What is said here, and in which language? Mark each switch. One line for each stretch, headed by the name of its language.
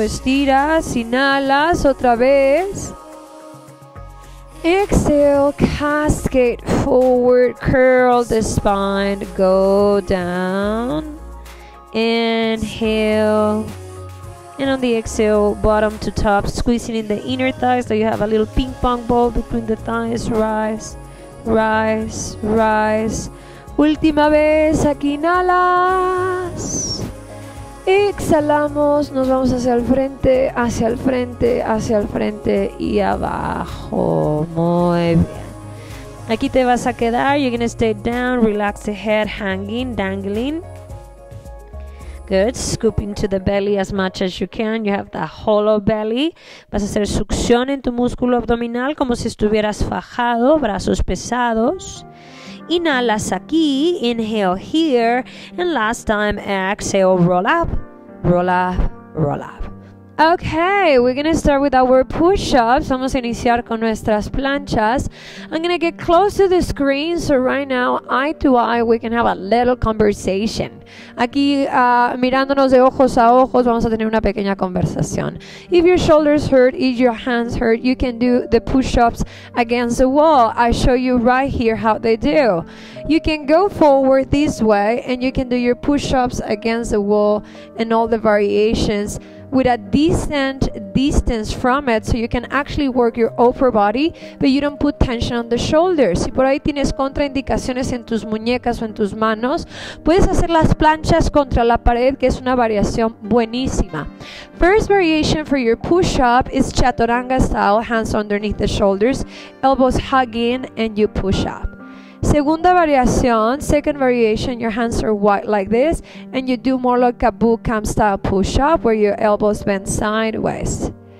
Spanish: Estiras, inhalas, otra vez.
English: Exhale, cascade forward, curl the spine, go down, inhale, and on the exhale, bottom to top, squeezing in the inner thighs so you have a little ping pong ball between the thighs, rise, rise, rise,
Spanish: última vez, aquí inhalas. Exhalamos, nos vamos hacia el frente, hacia el frente, hacia el frente y abajo. Muy bien. Aquí te vas a quedar.
English: You're gonna stay down, relax the head, hanging, dangling. Good. Scoop into the belly as much as you can. You have the hollow belly.
Spanish: Vas a hacer succión en tu músculo abdominal como si estuvieras fajado, brazos pesados. Inhalas aquí,
English: inhale here, and last time, exhale, roll up, roll up, roll up. Okay, we're gonna start with our push-ups.
Spanish: Vamos a iniciar con nuestras planchas.
English: I'm gonna get close to the screen, so right now, eye to eye, we can have a little conversation.
Spanish: Aquí, mirándonos de ojos a ojos, vamos a tener una pequeña conversación.
English: If your shoulders hurt, if your hands hurt, you can do the push-ups against the wall. I show you right here how they do. You can go forward this way, and you can do your push-ups against the wall and all the variations with a decent distance from it, so you can actually work your upper body, but you don't put tension on the shoulders.
Spanish: Si por ahí tienes contraindicaciones en tus muñecas o en tus manos, puedes hacer las planchas contra la pared, que es una variación buenísima.
English: First variation for your push-up is chaturanga style, hands underneath the shoulders, elbows hugging, and you push up.
Spanish: Segunda variación,
English: second variation, your hands are wide like this, and you do more like a bootcamp style push-up where your elbows bend sideways.